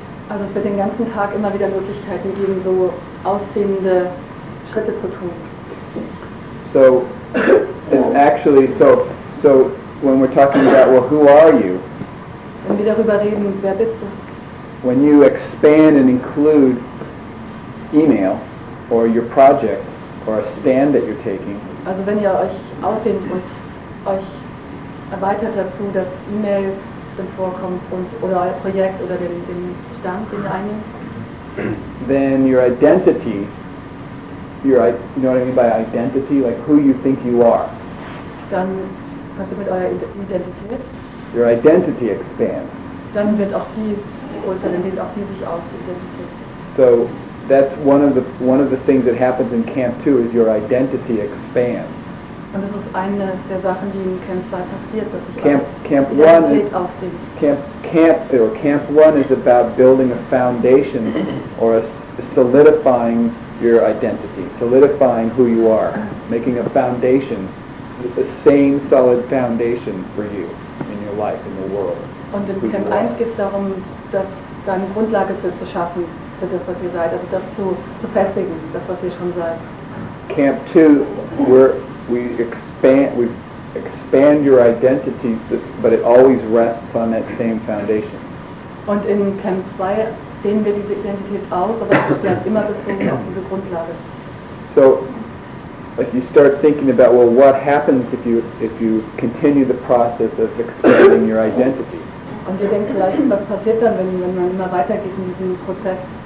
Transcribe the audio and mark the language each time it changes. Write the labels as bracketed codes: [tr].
[de] Also es wird den ganzen Tag immer wieder Möglichkeiten geben, so ausdehnende Schritte zu tun. [en] So, it's actually, so when we're talking about, well, who are you? [de] Wenn wir darüber reden, wer bist du? [en] When you expand and include email, or your project, or a stand that you're taking. [de] Also wenn ihr euch ausdehnt und euch erweitert dazu, dass E-Mail dann vorkommt und, oder euer Projekt oder den Stand, den ihr einnimmt. [en] Then your identity, you know what I mean by identity, like who you think you are. [de] Dann kannst du mit eurer Identität. [en] Your identity expands. [de] Dann wird auch die, oder dann wird auch die sich ausidentifizieren. [en] So, that's one of the things that happens in Camp 2 is your identity expands. [de] Und das ist eine der Sachen, die in Camp 2 passiert, dass ich [en] Camp 1 is about building a foundation or solidifying your identity, solidifying who you are, making a foundation, the same solid foundation for you in your life, in the world. [de] Und in Camp 1 geht es darum, dass deine Grundlage für zu schaffen. Das, was ihr seid, also das zu festigen, das, was ihr schon seid. [en] Camp 2, we expand your identity, but it always rests on that same foundation. [de] Und in Camp 2 dehnen wir diese Identität aus, aber es bleibt immer bezogen auf diese Grundlage. [en] So, like you start thinking about, well, what happens if you continue the process of expanding your identity? [de] Und ihr denkt vielleicht, was passiert dann, wenn man immer weitergeht in diesem Prozess?